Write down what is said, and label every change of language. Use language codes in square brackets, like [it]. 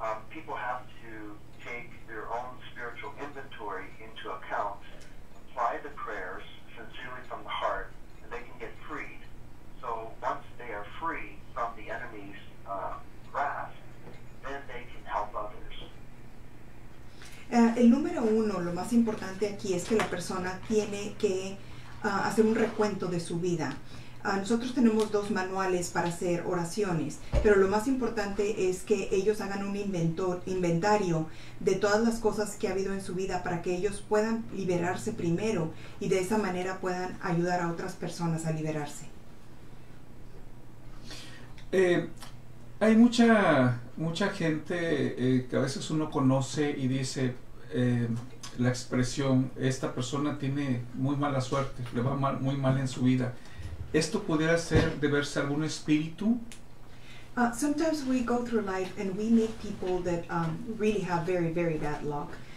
[en] People have to take their own spiritual inventory into account, apply the prayers sincerely from the heart, and they can get freed. So once they are free from the enemy's grasp, then they can help others. [es] El número uno, lo más importante aquí, es que la persona tiene que hacer un recuento de su vida. Nosotros tenemos dos manuales para hacer oraciones, pero lo más importante es que ellos hagan un inventario de todas las cosas que ha habido en su vida para que ellos puedan liberarse primero y de esa manera puedan ayudar a otras personas a liberarse. Hay mucha gente que a veces uno conoce y dice la expresión, esta persona tiene muy mala suerte, le va mal, muy mal en su vida. ¿Esto pudiera ser deberse a algún espíritu? [en] Sometimes we go through life and we meet people that really have very, very bad luck.